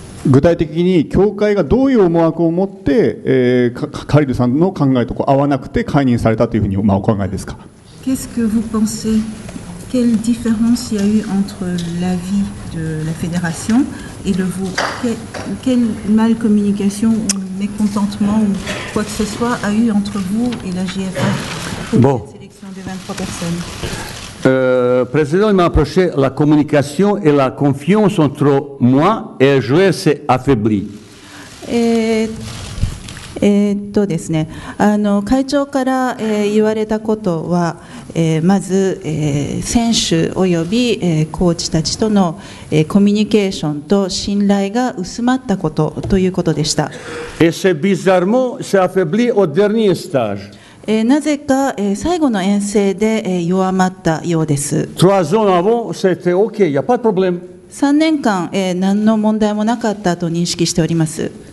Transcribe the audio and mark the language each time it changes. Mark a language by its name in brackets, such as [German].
[Japanese] 具体的に協会がどういう思惑を持って、カリルさんの考えとこう合わなくて解任されたというふうに、まあ、お考えですか。 [French] Qu'est-ce que vous pensez? Quelle différence y a eu entre l'avis de la fédération et le vôtre? Quelle mal communication ou mécontentement ou quoi que ce soit a eu entre vous et la GFA pour bon. La sélection des 23 personnes? Président, il m'a approché. La communication et la confiance entre moi et les joueurs s'est affaiblie. [Japanese] ですね、会長から、言われたことは、まず、選手および、コーチたちとの、コミュニケーションと信頼が薄まったことということでした。 [French] Et c'est bizarrement, c'est affaibli au dernier stage. [Japanese] なぜか最後の遠征で弱まったようです。 3年間何の問題もなかったと認識しております。